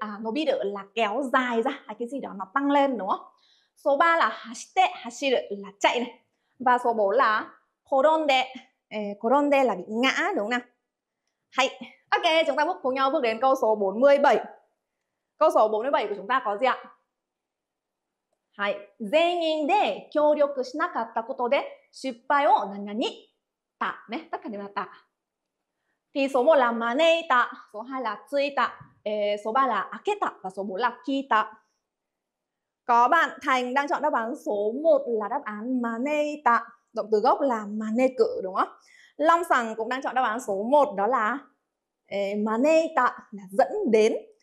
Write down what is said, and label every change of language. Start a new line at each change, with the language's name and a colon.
Vietnamese: Nobiru là kéo dài ra hay cái gì đó nó tăng lên đúng không? Số 3 là hashite, hashiru là chạy này. Và số 4 là koronde. Koronde là bị ngã đúng không nào? Hay. Ok, chúng ta cùng nhau bước đến câu số 47. Câu số 47 của chúng ta có gì ạ?
Japanese: Hai, 全員で協力しなかったことで失敗を何々た.
Vietnamese: Tất cả đều là ta. Thì số 1 là maneita, số 2 là tsuita, số 3 là aketa và số 4 là kita. Có bạn Thành đang chọn đáp án số 1 là đáp án maneita, động từ gốc là mane cự đúng không? Long Sằng cũng đang chọn đáp án số 1 đó là maneita là dẫn đến.